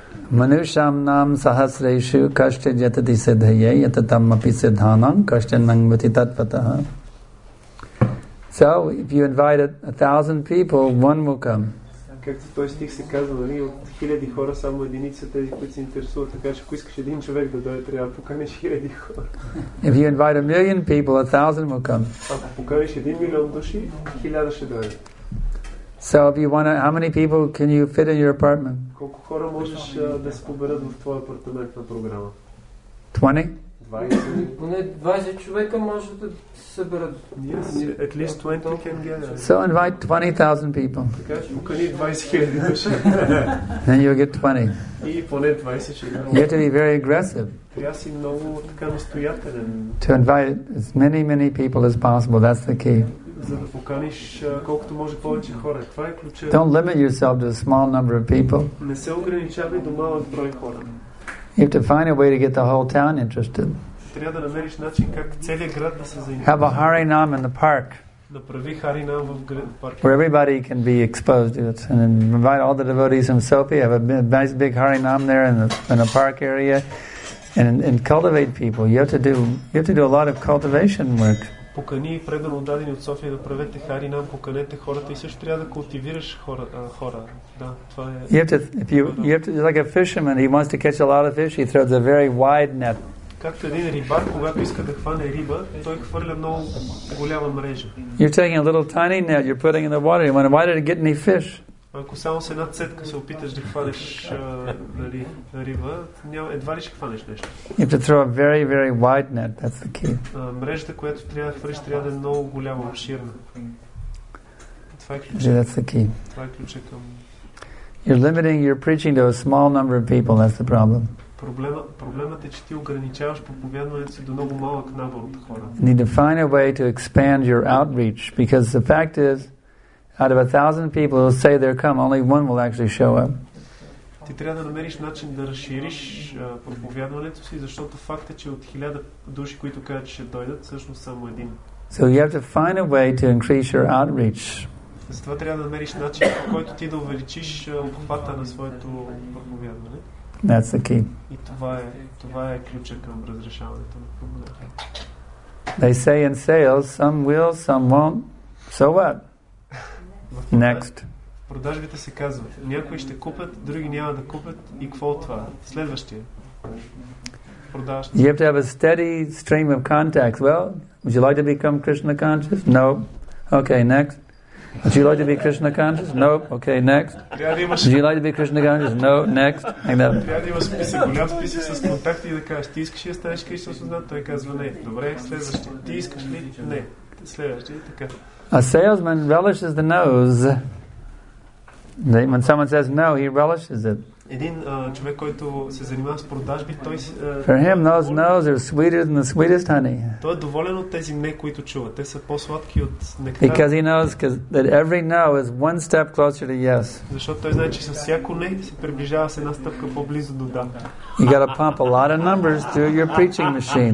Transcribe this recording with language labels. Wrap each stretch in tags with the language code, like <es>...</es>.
<sa>Manusham nam sahasreshu kashte jatati siddhaye yatatam api siddhanam kashte nangvati tatpataha.</sa> <en>So, if you invite 1,000 people, one will come.</en> <bg>както той стих се казва, нали, от хиляди хора само единица тези, които се интересуват. Така че ако искаш един човек да дойде, трябва да поканиш хиляди хора.</bg> <en>If you invite a million people, a thousand will come.</en> <bg>Ако поканиш един милион души, хиляда ще дойде.</bg> <en>So if you want to, how many people can you fit in your apartment?</en> <bg>Колко хора можеш да се поберат в твоя апартамент на програма? 20? Поне 20 човека може да съберат.</bg> <en>Yes, at least 20 can get it. So invite 20,000 people.</en> <bg>Покани 20 хиляди души.</bg> <en>Then you'll get 20.</en> <bg>И поне 20 ще имам.</bg> <en>You have to be very aggressive.</en> <bg>Трябва си много така настоятелен.</bg> <en>To invite as many, many people as possible, that's the key.</en> <bg>За да поканиш колкото може повече хора. Това е ключа.</bg> <en>Don't limit yourself to a small number of people.</en> <bg>Не се ограничавай до малък брой хора.</bg> <en>You have to find a way to get the whole town interested.</en> <bg>Трябва да намериш начин как целият град да се заинтересува.</bg> <en>Have a Harinam in the park.</en> <bg>Направи Харинам в парка.</bg> <en>Where everybody can be exposed to it. And invite all the devotees from Sophie. Have a nice big Harinam there in the park area. And cultivate people. You have to do a lot of cultivation work.</en> <bg>Покани предано дадени от София да правете Харинам, поканете хората и също трябва да култивираш хора. Да, това е.</bg> <en>You have to like a fisherman, he wants to catch a lot of fish, he throws a very wide net.</en> <bg>Както един рибар, когато иска да хване риба, той хвърля много голяма мрежа.</bg> <en>You're taking a little tiny net, you're putting in the water, you want to try to get any fish.</en> <bg>Ако само с една цетка се опиташ да хванеш риба, едва ли ще хванеш нещо.</bg> <en>You have to throw a very, very wide net, that's the key.</en> <bg>Мрежата, която трябва да хвърлиш, трябва да е много голяма, обширна. Това е ключа.</bg> <en>That's the key.</en> <bg>Това е ключа към.</bg> <en>You're limiting your preaching to a small number of people, that's the problem.</en> <bg>Проблемът е, че ти ограничаваш проповядването си до много малък набор от хора.</bg> <en>You need to find a way to expand your outreach, because the fact is, out of 1,000 people who say they're come, only one will actually show up.</en> <bg>Ти трябва да намериш начин да разшириш проповядването си, защото факт е, че от 1,000 души, които кажат, че ще дойдат, всъщност само един.</bg> <en>So you have to find a way to increase your outreach.</en> <bg>Затова трябва да намериш начин, по който ти да увеличиш обхвата на своето проповядване.</bg> <en>That's the key.</en> <bg>И това е ключа към разрешаването на проблема.</bg> <en>They say in sales, some will, some won't. So what? Next.</en> <bg>В продажбите се казва, някои ще купят, други няма да купят. И какво от това? Следващия.</bg> <en>You have to have a steady stream of contacts. Well, would you like to become Krishna conscious? No. Okay, next. Would you like to be Krishna conscious? No. Nope. Okay, next. Would you like to be Krishna conscious? No. Next.</en> <bg>Трябва да има списък, голям списък с контакти и да кажеш, ти искаш ли да станеш Кришна осъзнат? Той казва не. Добре, следващи. Ти искаш ли? Не. Следващи.</bg> <en>A salesman relishes the no's. When someone says no, he relishes it.</en> <bg>Един човек, който се занимава с продажби, той се.</bg> <en>For him, those no's are sweeter than the sweetest honey.</en> <bg>Той е доволен от тези не, които чува. Те са по-сладки от нектар.</bg> <en>Because he knows that every no is one step closer to yes.</en> <bg>Защото той знае, че с всяко не се приближава с една стъпка по-близо до да.</bg> <en>You got to pump a lot of numbers through your preaching machine.</en>